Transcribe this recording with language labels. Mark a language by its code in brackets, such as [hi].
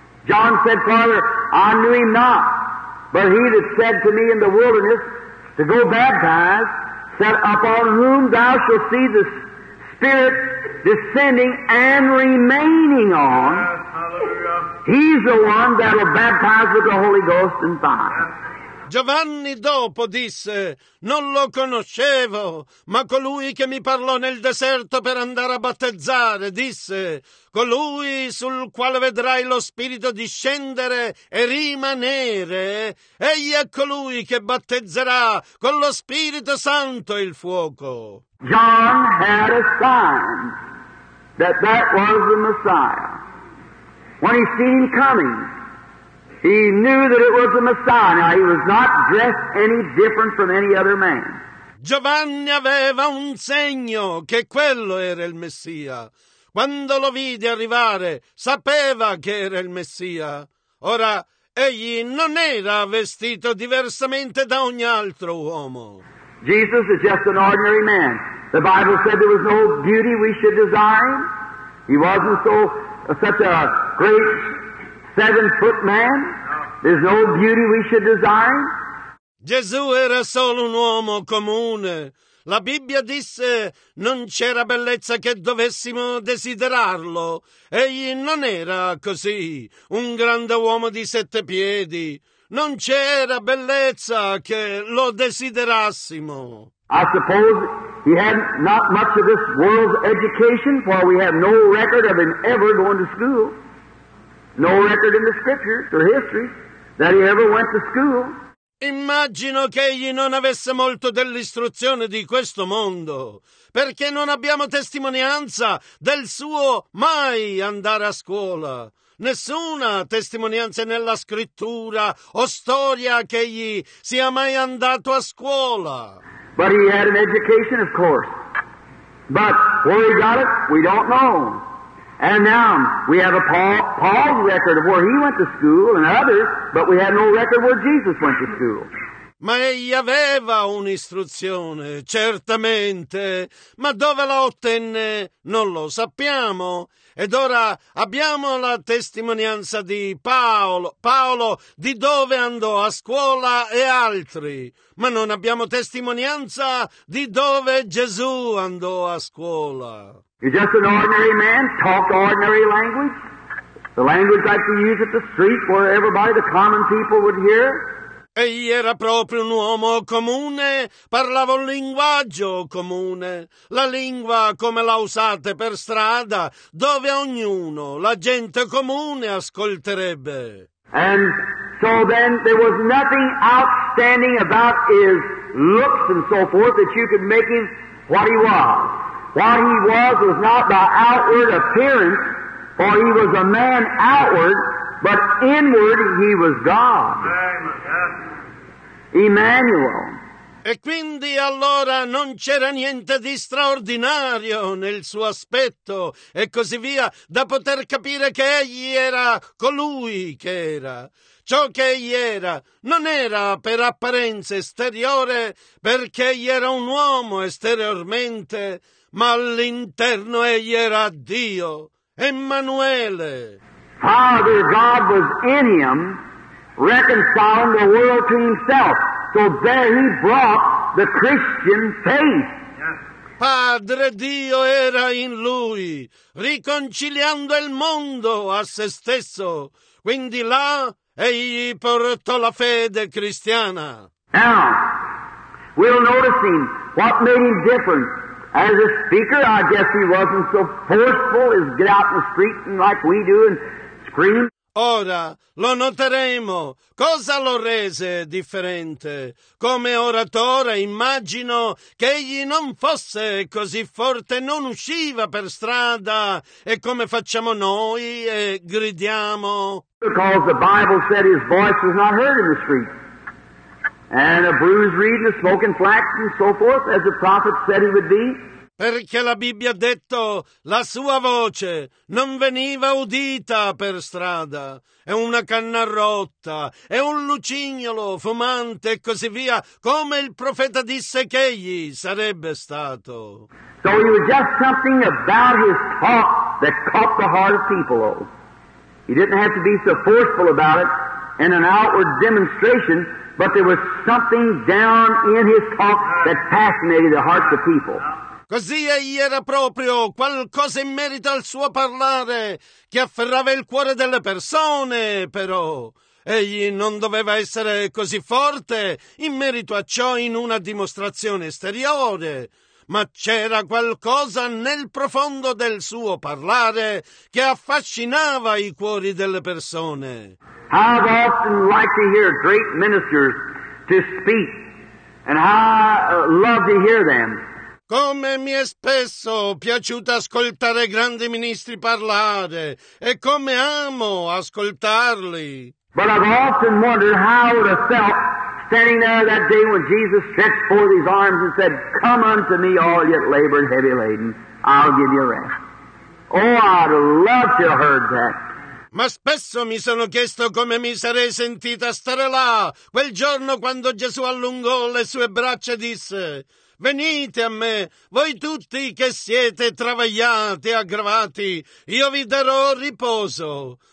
[en] John said, Father, I knew him not, but he that said to me in the wilderness to go baptize, said, upon whom thou shalt see the Spirit descending and remaining on, he's the one that will baptize with the Holy Ghost and fire. [it] Giovanni dopo disse, non lo conoscevo, ma colui che mi parlò nel deserto per andare a battezzare, disse, colui sul quale vedrai lo Spirito discendere e rimanere, egli è colui che battezzerà con lo Spirito Santo il fuoco. [en] John had a sign that that was the Messiah. When he seen him coming, he knew that it was the Messiah. Now, he was not dressed any different from any other man. [it] Giovanni aveva un segno che quello era il Messia. Quando lo vide arrivare, sapeva che era il Messia. Ora, egli non era vestito diversamente da ogni altro uomo. [en] Jesus is just an ordinary man. The Bible said there was no beauty we should desire. He wasn't so such a great 7-foot man. There's no beauty we should desire. [it] Gesù era solo un uomo comune. La Bibbia disse non c'era bellezza che dovessimo desiderarlo. Egli non era così, un grande uomo di 7 piedi. Non c'era bellezza che lo desiderassimo. [en] I suppose he had not much of this world's education, for we have no record of him ever going to school. No record in the scriptures or history that he ever went to school. [it] Immagino che egli non avesse molto dell'istruzione di questo mondo, perché non abbiamo testimonianza del suo mai andare a scuola. Nessuna testimonianza nella scrittura o storia che egli sia mai andato a scuola. [en] But he had an education, of course. But where he got it, we don't know. And now we have a Paul's record of where he went to school and others, but we have no record where Jesus went to school. [it] Ma egli aveva un'istruzione, certamente, ma dove la ottenne non lo sappiamo. Ed ora abbiamo la testimonianza di Paolo di dove andò a scuola e altri, ma non abbiamo testimonianza di dove Gesù andò a scuola. [en] You're just an ordinary man, talk ordinary language, the language like you use at the street where everybody, the common people, would hear. [it] Egli era proprio un uomo comune, parlava un linguaggio comune, la lingua come la usate per strada, dove ognuno, la gente comune, ascolterebbe. [en] And so then there was nothing outstanding about his looks and so forth that you could make him what he was. What he was not by outward appearance, for he was a man outward, but inward he was God. Emmanuel. [it] E quindi allora non c'era niente di straordinario nel suo aspetto e così via da poter capire che egli era colui che era. Ciò che egli era non era per apparenza esteriore, perché egli era un uomo esteriormente, ma all'interno egli era Dio, Emmanuele. [en] Father God was in him, reconciling the world to himself. So there he brought the Christian faith. [it] Padre Dio era in lui, riconciliando il mondo a se stesso. Quindi là egli portò la fede cristiana. [en] Now, we'll notice him. What made him different? As a speaker, I guess he wasn't so forceful as get out in the street and like we do and scream. [it] Ora lo noteremo. Cosa lo rese differente? Come oratore immagino che egli non fosse così forte, non usciva per strada e come facciamo noi e gridiamo. [en] Because the Bible said his voice was not heard in the street. And a bruised reed and a smoking flax and so forth, as the prophet said he would be. [it] Perché la Bibbia ha detto la sua voce non veniva udita per strada. È una canna rotta, è un lucignolo fumante e così via, come il profeta disse che egli sarebbe stato. [en] So it was just something about his talk that caught the heart of people. He didn't have to be so forceful about it in an outward demonstration, but there was something down in his talk that fascinated the hearts of people. [it] Così egli era proprio qualcosa in merito al suo parlare che afferrava il cuore delle persone, però egli non doveva essere così forte in merito a ciò in una dimostrazione esteriore, ma c'era qualcosa nel profondo del suo parlare che affascinava i cuori delle persone. [en] How often like to hear great ministers to speak, and how love to hear them. [it] Come mi è spesso piaciuto ascoltare grandi ministri parlare e come amo ascoltarli. [en] But I've often wondered how it would have felt standing there that day when Jesus stretched forth his arms and said, "Come unto me, all ye labor and heavy laden, I'll give you rest." Oh, I'd love to have heard that. [it] Ma spesso mi sono chiesto come mi sarei sentita stare là, quel giorno quando Gesù allungò le sue braccia e disse: «Venite a me, voi tutti che siete travagliati e aggravati, io vi darò riposo».